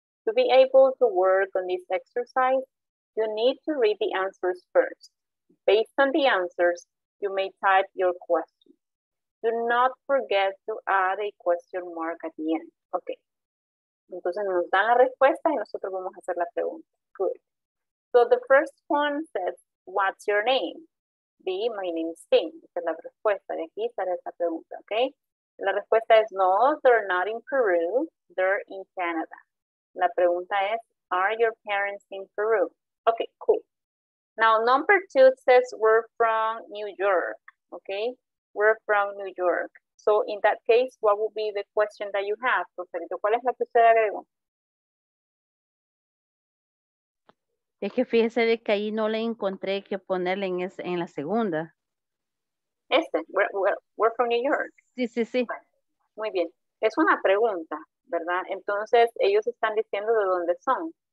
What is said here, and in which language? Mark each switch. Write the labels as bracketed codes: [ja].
[en] To be able to work on this exercise, you need to read the answers first. Based on the answers, you may type your question. Do not forget to add a question mark at the end. Ok. [es] Entonces nos dan la respuesta y nosotros vamos a hacer la pregunta. [en] Good. So the first one says, what's your name? [es] B, [en] my name is Tim. [es] Esa es la respuesta. De aquí sale esta pregunta, ¿ok? La respuesta es no, [en] they're not in Peru, they're in Canada. [es] La pregunta es, [en] are your parents in Peru? Ok, cool. Now, number two says we're from New York, ¿ok? We're from New York. So, in that case, what would be the question that you have, Rosalito? [es] ¿Cuál es la que usted agregó? Es que fíjese de que ahí no le encontré que ponerle en la segunda. [en] Este, we're from New York. [es] Sí, sí, sí. Muy bien. Es una pregunta, ¿verdad? Entonces, ellos están diciendo de dónde son.